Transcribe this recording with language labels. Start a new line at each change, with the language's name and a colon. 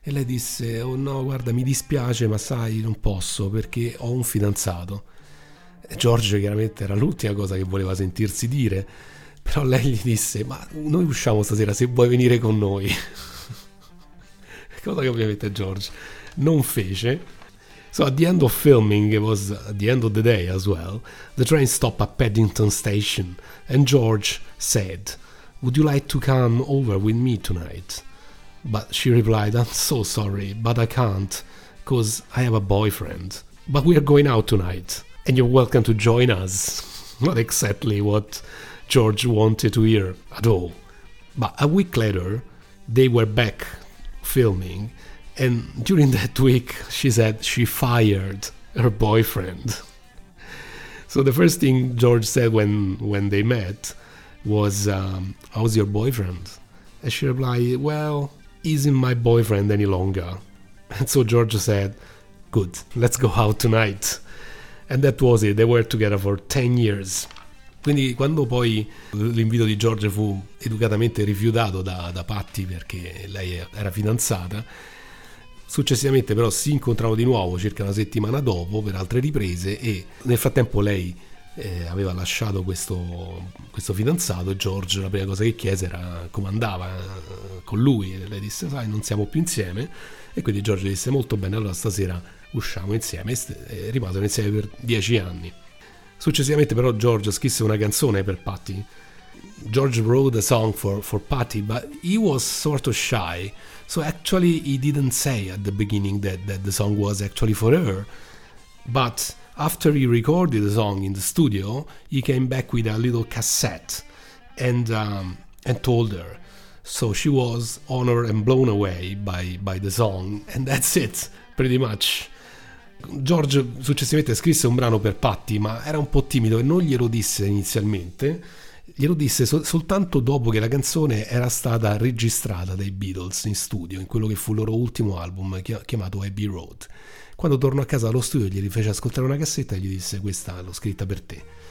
Italian: E lei disse: "Oh no, guarda, mi dispiace, ma sai, non posso perché ho un fidanzato." E George chiaramente era l'ultima cosa che voleva sentirsi dire. Però lei gli disse: "Ma noi usciamo stasera, se vuoi venire con noi." Cosa che ovviamente George non fece.
English: So at the end of filming, it was the end of the day as well, the train stopped at Paddington Station and George said, "Would you like to come over with me tonight?" But she replied, "I'm so sorry, but I can't, because I have a boyfriend. But we are going out tonight, and you're welcome to join us." Not exactly what George wanted to hear at all. But a week later, they were back filming, and during that week, she said she fired her boyfriend. So the first thing George said when they met was, "How's your boyfriend?" And she replied, "Well, isn't my boyfriend any longer." And so George said, "Good, let's go out tonight." And that was it, they were together for 10 years.
Italian: Quindi quando poi l'invito di George fu educatamente rifiutato da Patty perché lei era fidanzata, successivamente però si incontrarono di nuovo circa una settimana dopo per altre riprese e nel frattempo lei aveva lasciato questo fidanzato e George la prima cosa che chiese era come andava con lui e lei disse: "Sai, non siamo più insieme." E quindi George disse: "Molto bene, allora stasera usciamo insieme." E rimasero insieme per 10 anni. Successivamente però George scrisse una canzone per Patty.
English: George wrote a song for Patty, but he was sort of shy, so actually he didn't say at the beginning that the song was actually for her. But after he recorded the song in the studio, he came back with a little cassette and told her. So she was honored and blown away by the song, and that's it, pretty much.
Italian: George successivamente scrisse un brano per Patty, ma era un po' timido e non glielo disse inizialmente. Glielo disse soltanto dopo che la canzone era stata registrata dai Beatles in studio, in quello che fu il loro ultimo album, chiamato Abbey Road. Quando tornò a casa dallo studio, gli fece ascoltare una cassetta e gli disse: "Questa l'ho scritta per te."